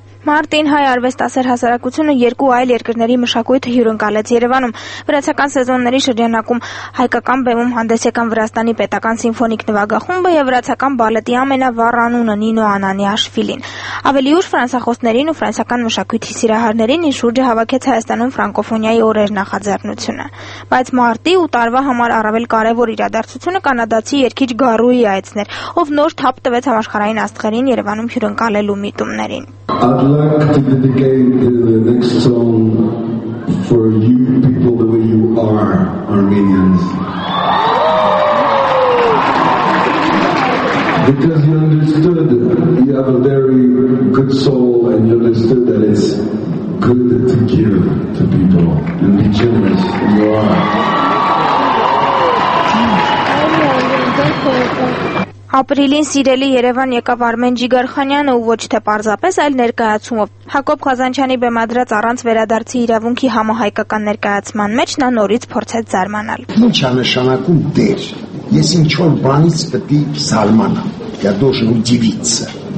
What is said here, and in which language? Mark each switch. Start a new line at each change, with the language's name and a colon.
Armenian: Մարտին հայ արվեստասեր հասարակությունը երկու այլ երկրների մշակույթը հյուրընկալեց Երևանում։ Վրացական սեզոնների շրջանակում հայկական բեմում հանդես եկան Վրաստանի պետական սիմֆոնիկ նվագախումբը եւ վրացական բալետի ամենավառ անունը Նինո Անանիաշվիլին։ Ավելի ուշ ֆրանսախոսներին ու ֆրանսական մշակույթի սիրահարներին ի շուրջը հավաքեց Հայաստանում ֆրանկոֆոնիայի օրեր նախաձեռնությունը։ Բայց մարտի ու տարվա համար առավել կարևոր իրադարձությունը կանադացի երգիչ Գարուի այցներ, ով նոր թափ տվեց համաշխարհային աստղերին Երևանում հյուրընկալելու միտումներին։
English: I'd like to dedicate the next song for you people the way you are, Armenians. Because you understood, you have a very good soul and you understood that it's good to give to people and be generous, and you are.
Armenian: Ապրիլին սիրելի Երևան եկավ Արմեն Ջիգարխանյանը ու ոչ թե պարզապես, այլ ներկայացումով։ Հակոբ Խազանչյանի բեմադրած առանց վերադարձի իրավունքի համահայկական ներկայացման մեջ նա նորից փորձեց զարմանալ. Ինչ է նշանակում դեր։ Ես ինչո՞ւ բանից պետք է զարմանամ։
Russian: Я должен удивиться.